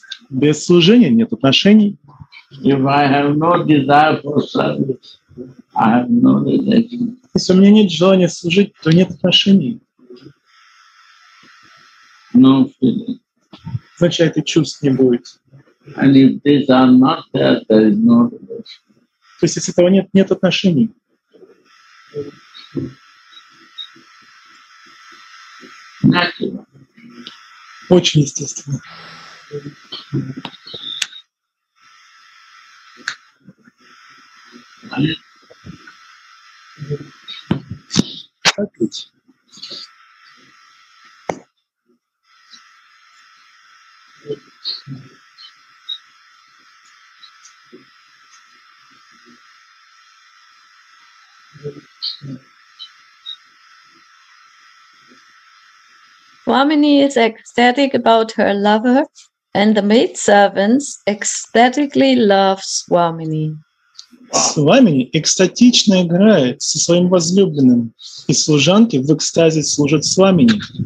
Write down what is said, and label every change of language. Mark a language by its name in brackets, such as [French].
[Russian] Без служения нет отношений. [English] If I have no desire for service, I have no relation. [Russian] Если у меня нет желания служить, то нет отношений. [English] No feeling. [Russian] Значит, это чувств не будет. [English] And if these are not there, there is no relation. [Russian] То есть, если этого нет, нет отношений. [English] Natural. [Russian] Очень естественно. Как ведь? [English] Swamini is ecstatic about her lover, and the maidservants ecstatically love Swamini. [Russian] Swamini экстатично играет со своим возлюбленным, и служанки в экстазе служат Свамини.